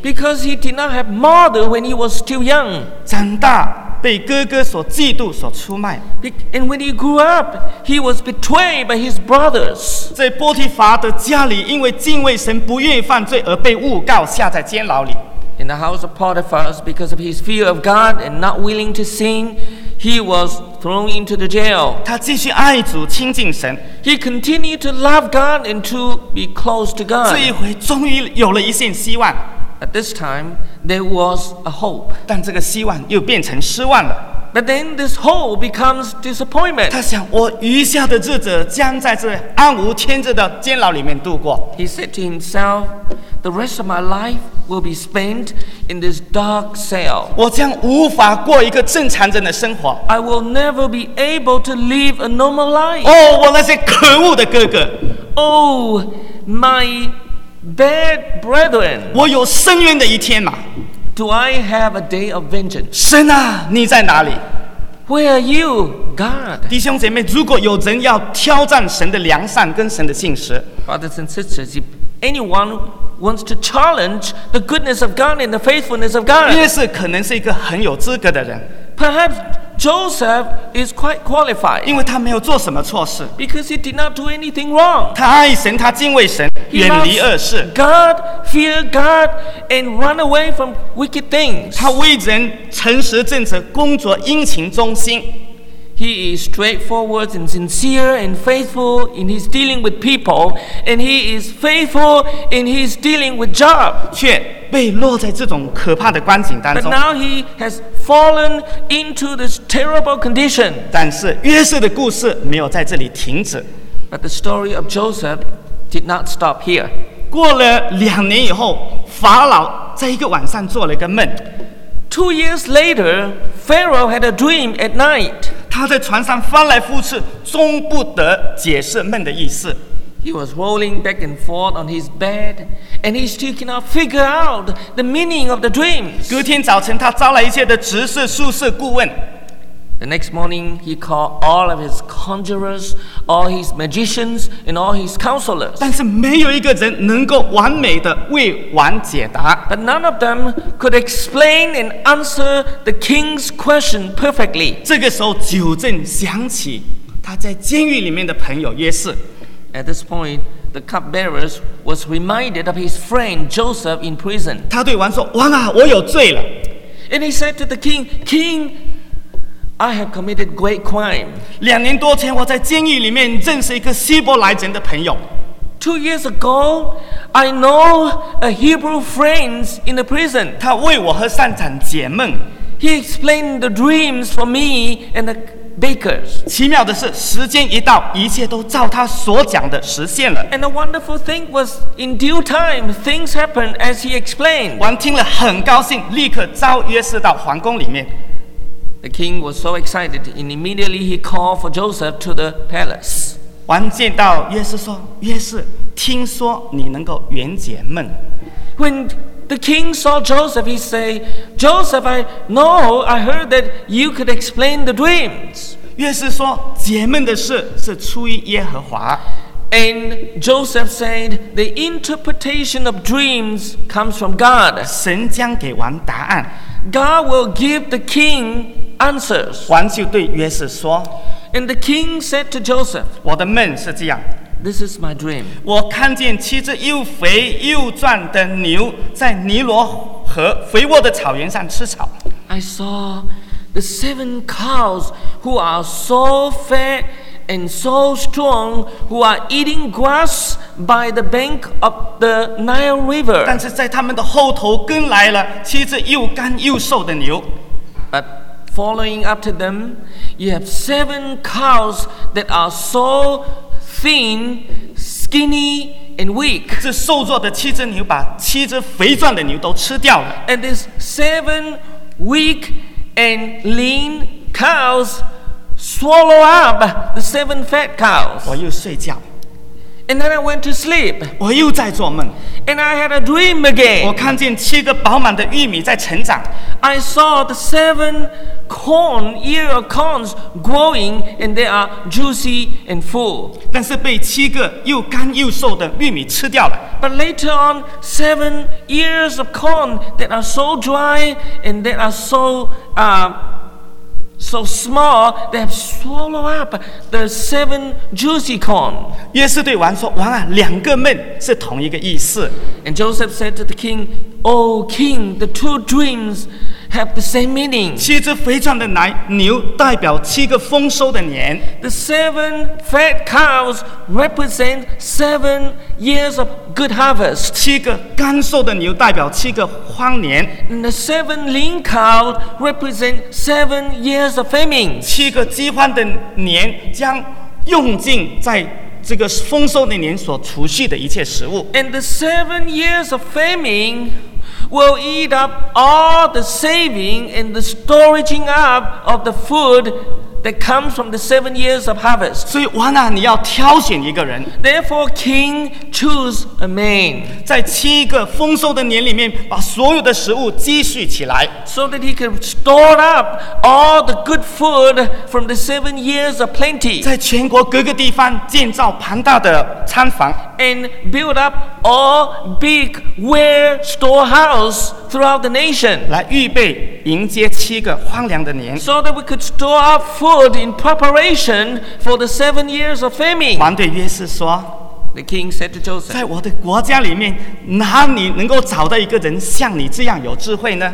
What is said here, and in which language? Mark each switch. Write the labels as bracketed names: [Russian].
[English] Because he did not have mother when he was still young. [Chinese] 长大被哥哥所嫉妒所出卖。 [English] And when he grew up, he was betrayed by his brothers. [Chinese] 在波提法的家里，因为敬畏神不愿意犯罪而被诬告下在监牢里。 [English] In the house of Potiphar, because of his fear of God and not willing to sin, he was thrown into the jail. [Chinese] 他继续爱主，亲近神。 [English] He continued to love God and to be close to God. [Chinese] 这一回终于有了一线希望。 [English] At this time, there was a hope. [Chinese] 但这个希望又变成失望了。 [English] But then this hope becomes disappointment. [Chinese] 他想，我余下的日子将在这暗无天日的监牢里面度过。 [English] He said to himself, the rest of my life will be spent in this dark cell. [Chinese] 我将无法过一个正常人的生活。 [English] I will never be able to live a normal life. [Chinese] 哦，我那些可恶的哥哥。 [English] Oh, my bad brethren. [Chinese] 我有伸冤的一天嘛。 [English] Do I have a day of vengeance? [Chinese] 神啊，你在哪里？ [English] Where are you, God? [Chinese] 弟兄姐妹，如果有人要挑战神的良善跟神的信实， [English] Brothers and sisters, if anyone wants to challenge the goodness of God and the faithfulness of God, [Chinese] 约瑟可能是一个很有资格的人。 [English] Perhaps Joseph is quite qualified. [Chinese] 因为他没有做什么错事。 [English] Because he did not do anything wrong. [Chinese] 他爱神，他敬畏神，远离恶事。 [English] God, fear God, and run away from wicked things. [Chinese] 他为人诚实正直，工作殷勤忠心。 [English] He is straightforward and sincere and faithful in his dealing with people, and he is faithful in his dealing with job. [Chinese] 却被落在这种可怕的光景当中。 [English] But now he has fallen into this terrible condition. [Chinese] 但是约瑟的故事没有在这里停止。 [English] But the story of Joseph did not stop here. [Chinese] 过了两年以后，法老在一个晚上做了一个梦。 [English] Two years later, Pharaoh had a dream at night. [Chinese] 他在床上翻来覆去，终不得解释梦的意思。 [English] He was rolling back and forth on his bed, and he still cannot figure out the meaning of the dreams. [Chinese] 隔天早晨，他招来一些的执事、术士、顾问。 [English] The next morning, he called all of his conjurers, all his magicians, and all his counselors. [Chinese] 但是没有一个人能够完美的为王解答。 [English] But none of them could explain and answer the king's question perfectly. [Chinese] 这个时候，酒正想起他在监狱里面的朋友约瑟。 [English] At this point, the cupbearer was reminded of his friend Joseph in prison. [Chinese] 他对王说：“王啊，我有罪了。” [English] And he said to the king, King, I have committed great crime. [Chinese] 两年多前，我在监狱里面认识一个希伯来人的朋友。 [English] Two years ago, I know a Hebrew friend in the prison. [Chinese] 他为我和散场解梦。 [English] He explained the dreams for me and the bakers. [Chinese] 奇妙的是，时间一到，一切都照他所讲的实现了。 [English] And the wonderful thing was, in due time, things happened as he explained. [Chinese] 王听了很高兴，立刻召约瑟到皇宫里面。 [English] The king was so excited, and immediately he called for Joseph to the palace. [Chinese] 王见到约瑟说：“约瑟，听说你能够圆解梦。” [English] When the king saw Joseph, he said, "Joseph, I know. I heard that you could explain the dreams." [Chinese] 约瑟说：“解梦的事是出于耶和华。” [English] And Joseph said, "The interpretation of dreams comes from God." [Chinese] 神将给王答案。 [English] God will give the king answers. [Chinese] 王就对约瑟说， [English] And the king said to Joseph, [Chinese] 我的梦是这样， [English] This is my dream. [Chinese] 我看见七只又肥又壮的牛在尼罗河肥沃的草原上吃草。 [English] I saw the seven cows who are so fat and so strong, who are eating grass by the bank of the Nile River. [Chinese] 但是在他们的后头跟来了七只又干又瘦的牛。 [English] But following after them, you have seven cows that are so thin, skinny, and weak. [Chinese] 这瘦弱的七只牛把七只肥壮的牛都吃掉了。 [English] And these seven weak and lean cows swallow up the seven fat cows. [Chinese] 我又睡觉。 [English] And then I went to sleep. [Chinese] 我又在做梦。 [English] And I had a dream again. [Chinese] 我看见七个饱满的玉米在成长。 [English] I saw the seven corn, ear of corns growing, and they are juicy and full. [Chinese] 但是被七个又干又瘦的玉米吃掉了。 [English] But later on, seven ears of corn that are so dry and that are so small, they have swallowed up the seven juicy corn. [Chinese] 约瑟对王说，王啊，两个梦是同一个意思。 [English] And Joseph said to the king, O king, the two dreams have the same meaning. [Chinese] 七只肥壮的牛代表七个丰收的年。 [English] The seven fat cows represent 7 years of good harvest. [Chinese] 七个干瘦的牛代表七个荒年。 [English] And the seven lean cows represent 7 years of famine. [Chinese] 七个饥荒的年将用尽在这个丰收那年所储蓄的一切食物。 [English] And the 7 years of famine will eat up all the saving and the storing up of the food that comes from the 7 years of harvest. [Chinese] 所以王啊，你要挑选一个人。 [English] Therefore, king, choose a man. [Chinese] 在七个丰收的年里面，把所有的食物积蓄起来。 [English] So that he can store up all the good food from the 7 years of plenty. [Chinese] 在全国各个地方建造庞大的餐房。 [English] And build up all big ware storehouse throughout the nation. [Chinese] 来预备迎接七个荒凉的年。 [English] So that we could store up food in preparation for the 7 years of famine. [Chinese] 王对约瑟说， [English] The king said to Joseph, [Chinese] 在我的国家里面，哪里能够找到一个人像你这样有智慧呢？